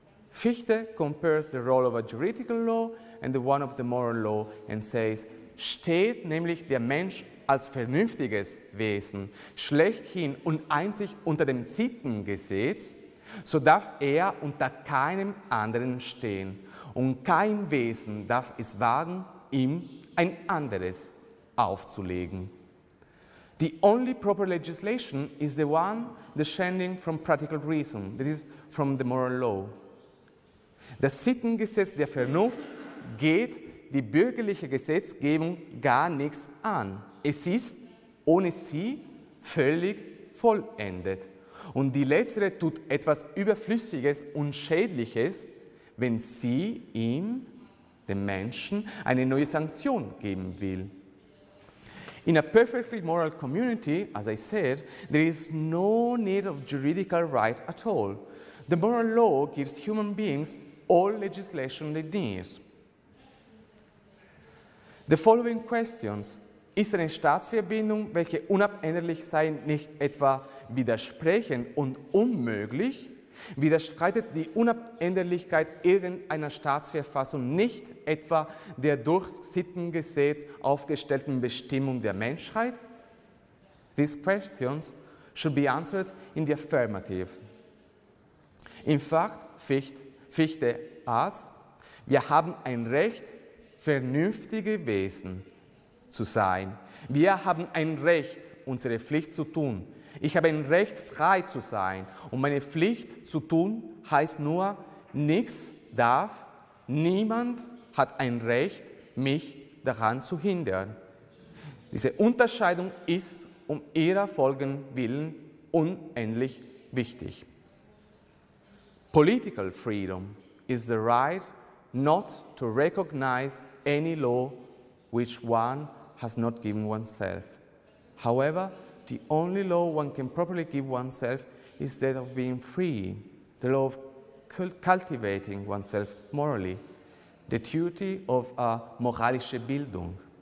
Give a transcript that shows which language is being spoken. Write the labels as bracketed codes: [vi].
[en] Fichte compares the role of a juridical law and the one of the moral law and says, [de] steht nämlich der Mensch als vernünftiges Wesen schlechthin und einzig unter dem Sittengesetz, so darf unter keinem anderen stehen und kein Wesen darf es wagen, ihm ein anderes aufzulegen. [en] The only proper legislation is the one descending from practical reason, that is, from the moral law. [de] Das Sittengesetz der Vernunft geht die bürgerliche Gesetzgebung gar nichts an. Es ist ohne sie völlig vollendet. Und die letztere tut etwas Überflüssiges und Schädliches, wenn sie ihm, dem Menschen, eine neue Sanktion geben will. [en] In a perfectly moral community, as I said, there is no need of juridical right at all. The moral law gives human beings all legislation they need. The following questions: [de] Ist eine Staatsverbindung, welche unabänderlich sei, nicht etwa widersprechend und unmöglich? Widerstreitet die Unabänderlichkeit irgendeiner Staatsverfassung nicht etwa der durchs Sittengesetz aufgestellten Bestimmung der Menschheit? [en] These questions should be answered in the affirmative. In fact, Fichte adds, [de] wir haben ein Recht, vernünftige Wesen zu sein. Wir haben ein Recht, unsere Pflicht zu tun. Ich habe ein Recht, frei zu sein. Und meine Pflicht zu tun heißt nur, nichts darf, niemand hat ein Recht, mich daran zu hindern. Diese Unterscheidung ist um ihrer Folgen willen unendlich wichtig. [en] Political freedom is the right not to recognize any law which one has not given oneself. However, the only law one can properly give oneself is that of being free, the law of cultivating oneself morally, the duty of a moralische Bildung.